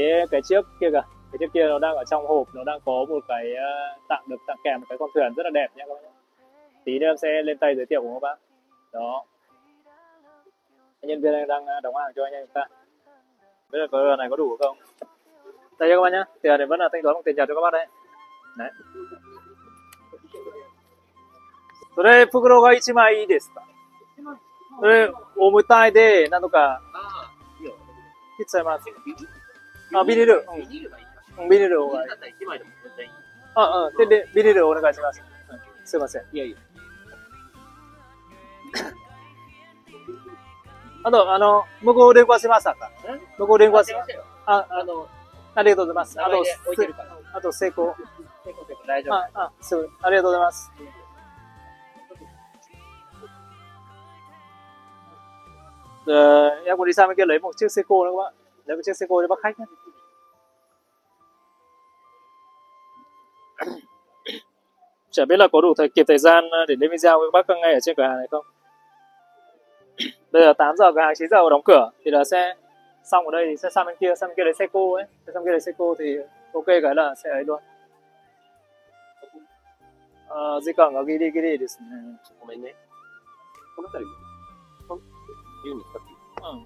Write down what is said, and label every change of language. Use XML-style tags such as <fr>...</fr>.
<vi>Cái chiếc kia kìa, cái chiếc kia nó đang ở trong hộp, nó đang có một cái tặng kèm một cái con thuyền rất là đẹp nhá các bác nhá. Tí nữa em sẽ lên tay giới thiệu của các bác. Đó. Anh nhân viên đang đóng hàng cho anh em chúng ta. Bây giờ cái này có đủ không? Đây nha các bác nhá. Tiền thì vẫn là thanh toán bằng tiền nhật cho các bác đấy. Đấy.</vi> <ja>それ袋が1枚いいですか。それ重たいで何とか。切っちゃいます。あ、ビニール。ビニールがいい。ビニールがいい。あ、でビニールお願いします。すいません。いやいや。あと向こう連絡しましたか。向こう連絡しました。ありがとうございます。あと成功。大丈夫。あ、ありがとうございます。</ja> <vi>Em có đi sang bên kia lấy một chiếc xe cô nữa các bác, lấy một chiếc xe cô cho bác khách nhé. Chả biết là có đủ kịp thời gian để lên video với bác ngay ở trên cửa hàng này không. Bây giờ 8 giờ cửa hàng 9 giờ đóng cửa thì là sẽ xong ở đây thì sẽ sang bên kia lấy xe cô ấy, sang bên kia lấy xe cô thì ok cái là sẽ ấy luôn.</vi> <ja>あ、時間がギリギリですね。ごめんね。この辺り、10人使っていい？</ja>